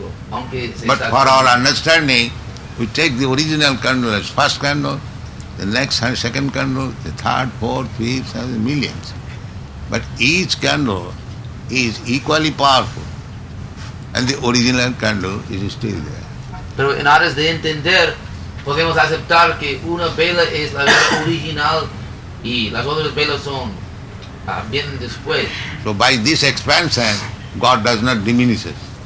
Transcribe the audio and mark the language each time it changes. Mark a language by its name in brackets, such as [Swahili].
[English] But for our understanding, we take the original candle as first candle, the next and second candle, the third, fourth, fifth, and the millions. But each candle is equally powerful, and the original candle is still there. [Spanish] Pero en aras de entender, podemos aceptar que una vela es la vela original y las otras velas son vienen después. [English] So by this expansion, God does not diminish us.